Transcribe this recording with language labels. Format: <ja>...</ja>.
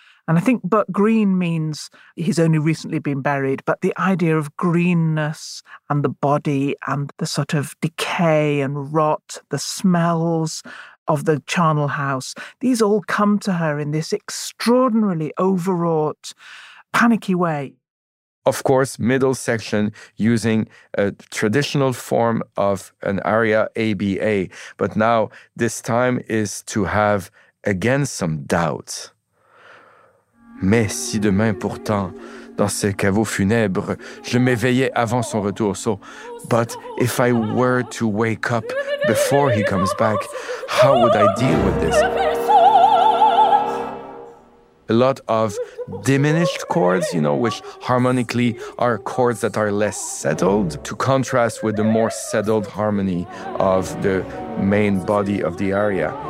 <en>And I think but green means he's only recently been buried, but the idea of greenness and the body and the sort of decay and rot, the smells of the charnel house, these all come to her in this extraordinarily overwrought, panicky way. Of course, middle section using a traditional form of an aria ABA. But now this time is to have again some doubts.</en> <fr>Mais si demain pourtant, dans ce caveau funèbre, je m'éveillais avant son retour.</fr> <en>So, but if I were to wake up before he comes back, how would I deal with this? A lot of diminished chords, you know, which harmonically are chords that are less settled, to contrast with the more settled harmony of the main body of the aria.</en>